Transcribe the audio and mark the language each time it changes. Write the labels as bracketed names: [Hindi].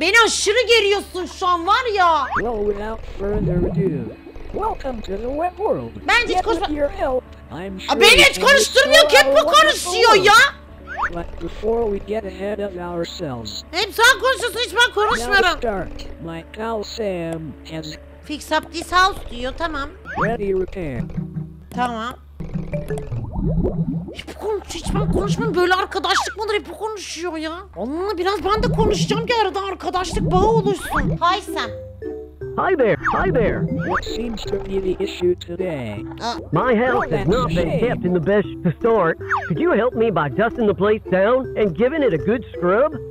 [Turkish] Beni aşırı geriyorsun şu an var ya. [English] Well, without further ado, welcome to the web world. [Turkish] Bence hiç konuşma. Beni hiç konuşturmuyor ki, hep bu konuşuyor ya. [English] But before we get ahead of ourselves. [Turkish] Hep sen konuşuyorsun, hiç ben konuşmuyorum. [English] Now start. My pal Sam has fix up this house [Turkish] diyor, tamam. [English] Ready repair. [Turkish] Tamam. Hep konuşuyor, hiç ben konuşmuyorum. Böyle arkadaşlık mıdır, hep konuşuyor ya. Onunla biraz ben de konuşacağım ki arada arkadaşlık bağı oluşsun. [English] Hi Sam. Hi there, hi there. What seems to be the issue today? My house has not been kept in the best to start. Could you help me by dusting the place down and giving it a good scrub?